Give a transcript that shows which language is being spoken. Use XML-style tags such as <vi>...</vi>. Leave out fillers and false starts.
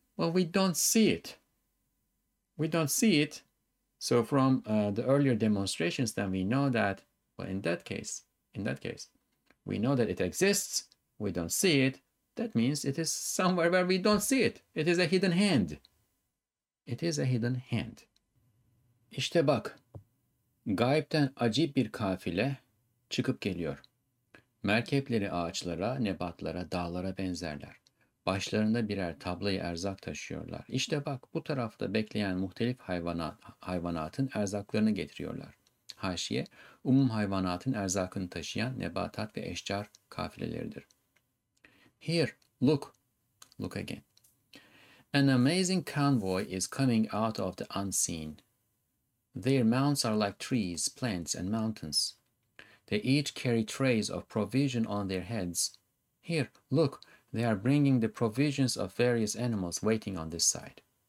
<en>Well, we don't see it. We don't see it. So from the earlier demonstrations, then we know that, well, in that case, we know that it exists. We don't see it. That means it is somewhere where we don't see it. It is a hidden hand. It is a hidden hand.</en> <tr>İşte bak, gaybden acip bir kafile çıkıp geliyor. Merkepleri ağaçlara, nebatlara, dağlara benzerler. Başlarında birer tablayı erzak taşıyorlar. İşte bak, bu tarafta bekleyen muhtelif hayvanatın erzaklarını getiriyorlar. Haşiye, umum hayvanatın erzakını taşıyan nebatat ve eşcar kafileleridir.</tr> <en>Here, look again. An amazing convoy is coming out of the unseen. Their mounts are like trees, plants, and mountains. They each carry trays of provision on their heads. Here, look, they are bringing the provisions of various animals waiting on this side.</en>